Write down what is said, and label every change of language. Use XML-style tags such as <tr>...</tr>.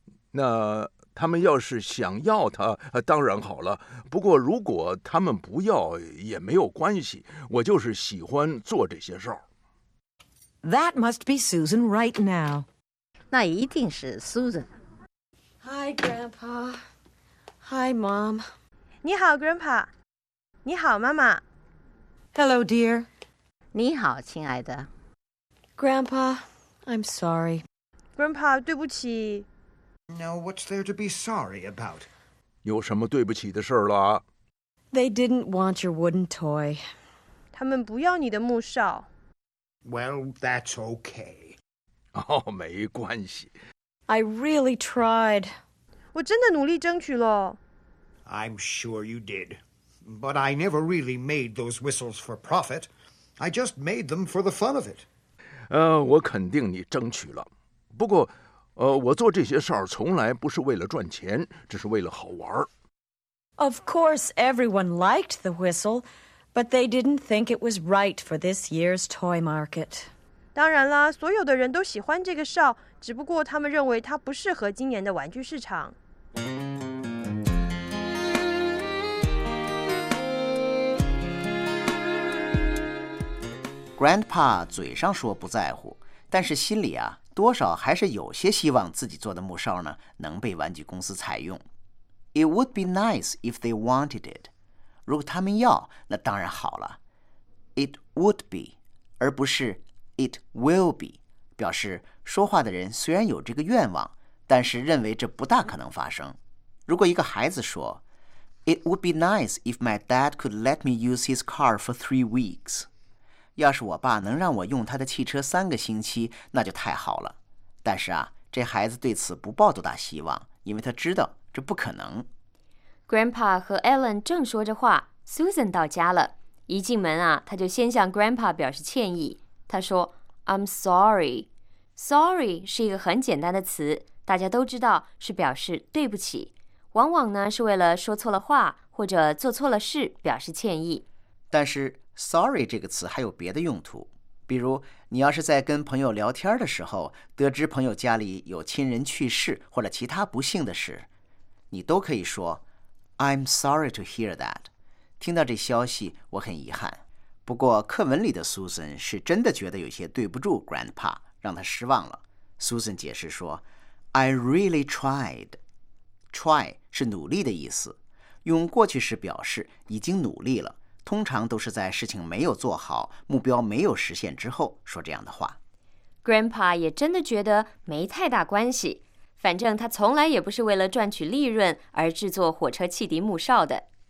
<zh>那他们要是想要它，当然好了。不过如果他们不要也没有关系，我就是喜欢做这些事儿。</zh> <en>That must be Susan right now.</en> <zh>那一定是 Susan.</zh> <en>Hi, Grandpa. Hi, Mom.</en> <zh>你好 ，Grandpa. 你好，妈妈。</zh> <en>Hello, dear.</en> <zh>你好，亲爱的。</zh> <en>Grandpa, I'm sorry.</en> <zh>Grandpa, 对不起。</zh> <en>No, what's there to be sorry about?</en> <zh>有什么对不起的事儿了？</zh> <en>They didn't want your wooden toy.</en> <zh>他们不要你的木哨。</zh> <en>Well, that's okay.</en> <zh>哦，没关系。</zh> <en>I really tried.</en> <zh>我真的努力争取了。</zh> <en>I'm sure you did. But I never really made those whistles for profit. I just made them for the fun of it.</en> <zh>我肯定你争取了。不过我做这些事儿从来不是为了赚钱，只是为了好玩。</zh> <en>Of course, everyone liked the whistle, but they didn't think it was right for this year's toy market.</en> <zh>当然啦，所有的人都喜欢这个哨，只不过他们认为它不适合今年的玩具市场。 Grandpa 嘴上说不在乎，但是心里啊多少还是有些希望自己做的木哨呢能被玩具公司采用。</zh> <en>It would be nice if they wanted it.</en> <zh>如果他们要，那当然好了。</zh> <en>It would be,</en> <zh>而不是</zh> <en>it will be,</en> <zh>表示说话的人虽然有这个愿望，但是认为这不大可能发生。如果一个孩子说</zh> <en>It would be nice if my dad could let me use his car for 3 weeks.</en> <zh>要是我爸能让我用他的汽车3个星期，那就太好了。但是啊，这孩子对此不抱多大希望，因为他知道这不可能。 Grandpa 和 Ellen 正说着话， Susan 到家了。一进门啊，他就先向 Grandpa 表示歉意。他说</zh> <en>I'm sorry。</en> <zh>Sorry 是一个很简单的词，大家都知道是表示对不起，往往呢是为了说错了话或者做错了事表示歉意。但是 sorry 这个词还有别的用途，比如你要是在跟朋友聊天的时候得知朋友家里有亲人去世或者其他不幸的事，你都可以说</zh> <en>I'm sorry to hear that.</en> <zh>听到这消息我很遗憾。不过课文里的 Susan 是真的觉得有些对不住 Grandpa， 让他失望了。 Susan 解释说</zh> <en>I really tried.</en> <zh>Try 是努力的意思，用过去式表示已经努力了，通常都是在事情没有做好，目标没有实现之后说这样的话。 Grandpa 也真的觉得没太大关系，反正他从来也不是为了赚取利润而制作火车汽笛木哨的。</zh>